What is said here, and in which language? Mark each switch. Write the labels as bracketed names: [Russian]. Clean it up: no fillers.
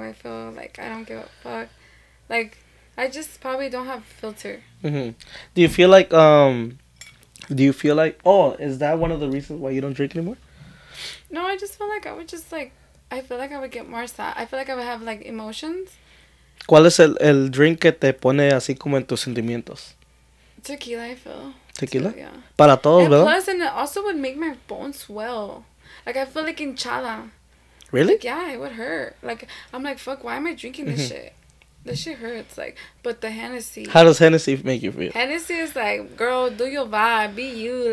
[English] I feel like I don't give a fuck. Like, I just probably don't have filter. Mm-hmm. Is that one of the reasons why you don't drink anymore? No, I just feel like I would just, like, I feel like I would get more sad. I feel like I would have, like, emotions. [Spanish] ¿Cuál es el drink que te pone así como en tus sentimientos? [English] Tequila, I feel. Tequila? So, yeah. [Spanish] Para todos, ¿verdad? [English] Plus, and it also would make my bones swell. Like, I feel like hinchada. Really? Like, yeah, it would hurt. Like, I'm like, fuck, why am I drinking this shit? This shit hurts. Like, but the Hennessy. How does Hennessy make you feel? Hennessy is like, girl, do your vibe. Be you.